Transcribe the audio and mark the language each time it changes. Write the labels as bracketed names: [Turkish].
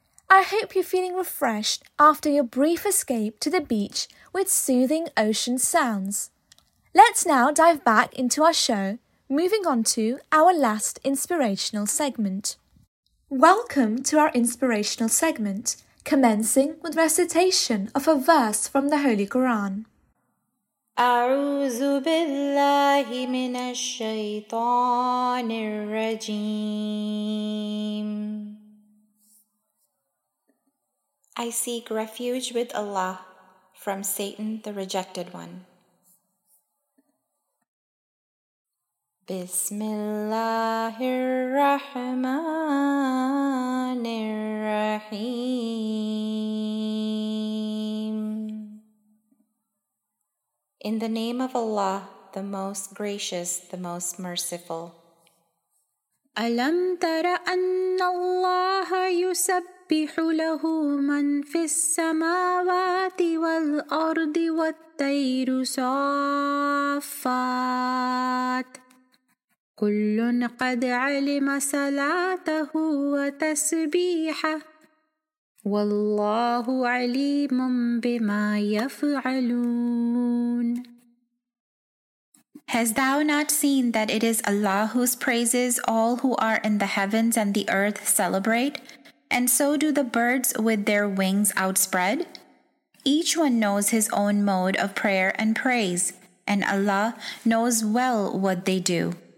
[English] I hope you're feeling refreshed after your brief escape to the beach with soothing ocean sounds. Let's now dive back into our show, moving on to our last inspirational segment. Welcome to our inspirational segment, commencing with recitation of a verse from the Holy Quran. [Arabic] أعوذ بالله من الشيطان الرجيم. [English] I seek refuge with Allah from Satan, the rejected one. [Arabic] بسم الله الرحمن الرحيم. [English] In the name of Allah, the Most Gracious, the Most Merciful. [Arabic] Alam tara anna Allah yusabbihu يسبح له من في السماوات والأرض والطير صافات كل قد علم صلاته وتسبيحه والله عليم بما يفعلون. [English] Has thou not seen that it is Allah whose praises all who are in the heavens and the earth celebrate, and so do the birds with their wings outspread? Each one knows his own mode of prayer and praise, and Allah knows well what they do.